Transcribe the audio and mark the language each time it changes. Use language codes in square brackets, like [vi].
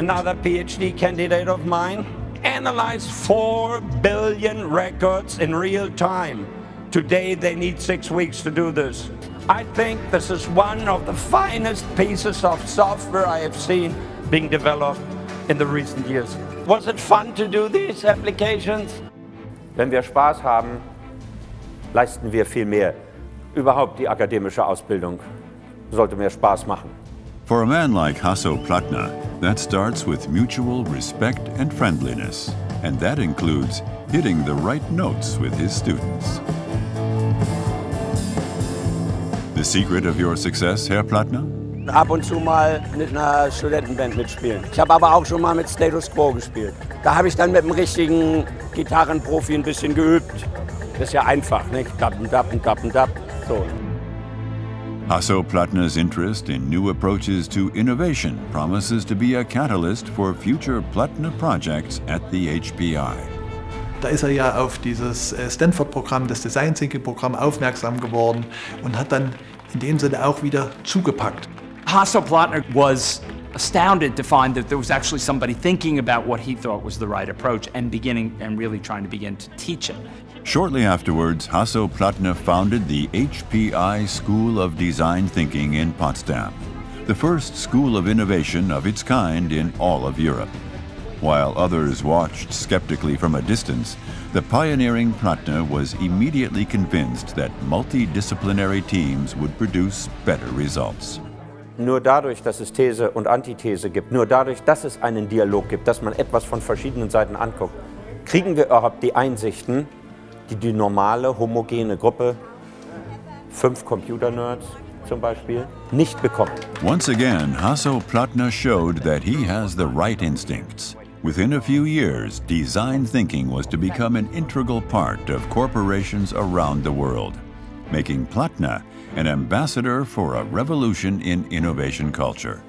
[en] Another PhD candidate of mine analyzed 4 billion records in real time. Today they need 6 weeks to do this. I think this is one of the finest pieces of software I have seen being developed in the recent years. Was it fun to do these applications? [de] Wenn wir Spaß haben, leisten wir viel mehr. Überhaupt die akademische Ausbildung sollte mehr Spaß machen. [en] For a man like Hasso Plattner, that starts with mutual respect and friendliness. And that includes hitting the right notes with his students. The secret of your success, Herr Plattner? [de] Ab und zu mal mit einer Studentenband mitspielen. Ich habe aber auch schon mal mit Status Quo gespielt. Da habe ich dann mit einem richtigen Gitarrenprofi ein bisschen geübt. Das ist ja einfach, nicht? Dappen, dappen, dappen, dappen, so. [en] Hasso Plattner's interest in new approaches to innovation promises to be a catalyst for future Plattner projects at the HPI. [de] Da ist er ja auf dieses Stanford-Programm, das Design Thinking-Programm, aufmerksam geworden und hat dann in dem Sinne auch wieder zugepackt. [en] Hasso Plattner was astounded to find that there was actually somebody thinking about what he thought was the right approach and beginning and really trying to begin to teach it. Shortly afterwards, Hasso Plattner founded the HPI School of Design Thinking in Potsdam, the first school of innovation of its kind in all of Europe. While others watched skeptically from a distance, the pioneering Plattner was immediately convinced that multidisciplinary teams would produce better results. [de] Nur dadurch, dass es These und Antithese gibt, nur dadurch, dass es einen Dialog gibt, dass man etwas von verschiedenen Seiten anguckt, kriegen wir überhaupt die Einsichten, die die normale, homogene Gruppe, fünf Computer-Nerds zum Beispiel, nicht bekommt. [en] Once again, Hasso-Plattner showed that he has the right instincts. Within a few years, design thinking was to become an integral part of corporations around the world, making Plattner an ambassador for a revolution in innovation culture.